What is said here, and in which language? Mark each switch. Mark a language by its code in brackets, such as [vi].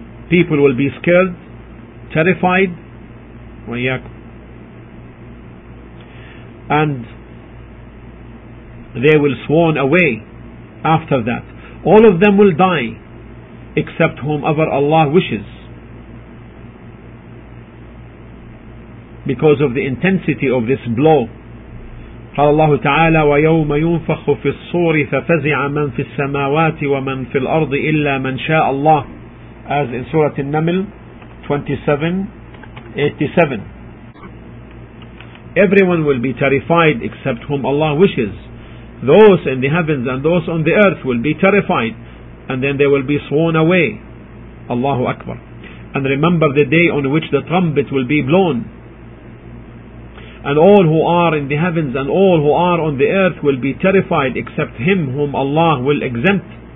[en] People will be scared, terrified, and they will swoon away after that. All of them will die, except whomever Allah wishes, because of the intensity of this blow. [ar] قال الله تعالى ويوم ينفخ في الصور ففزع من في السماوات ومن في الأرض إلا من شاء الله, [en] as in Surah An-Naml 27:87. Everyone will be terrified except whom Allah wishes. Those in the heavens and those on the earth will be terrified, and then they will be swoon away. Allahu Akbar. And remember the day on which the trumpet will be blown, and all who are in the heavens and all who are on the earth will be terrified except him whom Allah will exempt.